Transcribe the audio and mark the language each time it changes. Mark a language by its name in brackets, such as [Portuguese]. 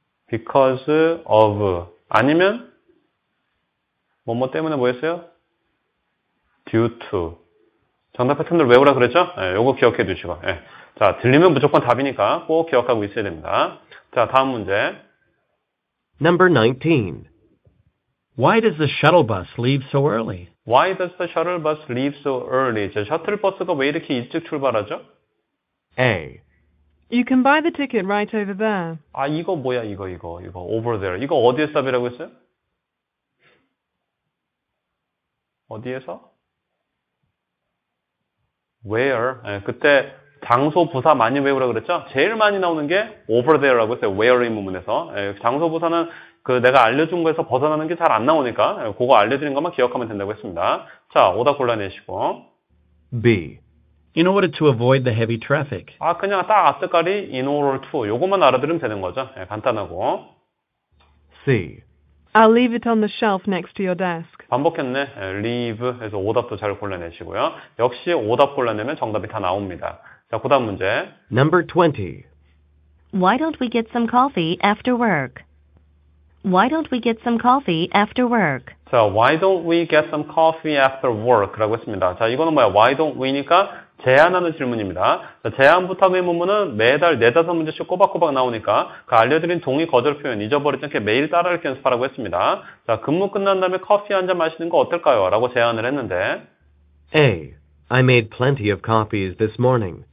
[Korean] Because of 아니면 뭐뭐 때문에 뭐 했어요? Due to 정답 패턴들 외우라 그랬죠? 요거 기억해 두시고. 자, 들리면 무조건 답이니까 꼭 기억하고 있어야 됩니다. 자, 다음 문제. [English] Number 19. Why does the shuttle bus leave so early? Why does the shuttle bus leave so early? [Korean] 저 셔틀 버스가 왜 이렇게 일찍 출발하죠? [English] A. You can buy the ticket right over there. [Korean] 아, 이거 뭐야, 이거. Over there. 이거 어디에 stop이라고 했어요? 어디에서? [English] Where? [Korean] 그때 장소 부사 많이 외우라 그랬죠? 제일 많이 나오는 게 over there라고 했어요. Where 이 부분에서. 장소 부사는 그 내가 알려준 거에서 벗어나는 게잘안 나오니까 그거 알려드린 것만 기억하면 된다고 했습니다. 자, 오답 골라내시고. [English] B. In order to avoid the heavy traffic. [Korean] 아, 그냥 딱 앞뜻가리 in order to 요것만 알아들으면 되는 거죠. 간단하고. [English] C. I'll leave it on the shelf next to your desk. [Korean] 반복했네. leave 해서 오답도 잘 골라내시고요. 역시 오답 골라내면 정답이 다 나옵니다. 자, 그 다음 문제. [English] Number 20. Why don't we get some coffee after work? Why don't we get some coffee after work? 자, why don't we get some coffee after work? [Korean] 라고 했습니다. 자, 이거는 뭐야? why don't we니까 제안하는 질문입니다. 제안부터 의 문문은 매달 네다섯 문제씩 꼬박꼬박 나오니까 그 알려드린 동의 거절 표현 잊어버리지 않게 매일 따라 읽기 연습하라고 했습니다. 자, 근무 끝난 다음에 커피 한잔 마시는 거 어떨까요? 라고 제안을 했는데. [English] A. I made plenty of copies this morning.